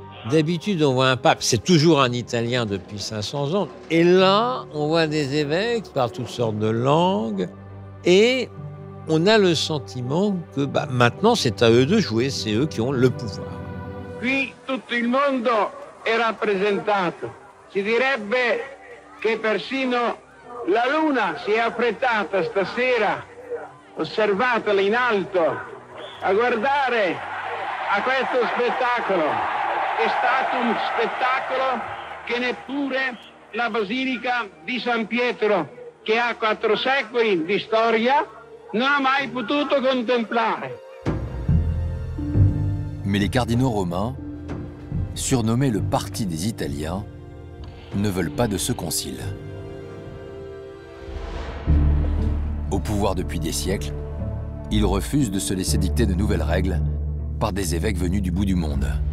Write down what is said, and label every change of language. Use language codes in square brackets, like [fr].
[fr] D'habitude, on voit un pape, c'est toujours un Italien depuis 500 ans. Et là, on voit des évêques par toutes sortes de langues. Et on a le sentiment que maintenant, c'est à eux de jouer, c'est eux qui ont le pouvoir. Qui tout le monde est représenté. [it] Si direbbe che persino la luna si è affrettata stasera, osservatela in alto, a guardare a questo spettacolo. È stato un spettacolo che neppure la Basilica di San Pietro, che ha 4 secoli di storia, non ha mai potuto contemplare. [fr] Mais les cardinaux romains, surnommés le parti des Italiens, ne veulent pas de ce concile. Au pouvoir depuis des siècles, ils refusent de se laisser dicter de nouvelles règles par des évêques venus du bout du monde.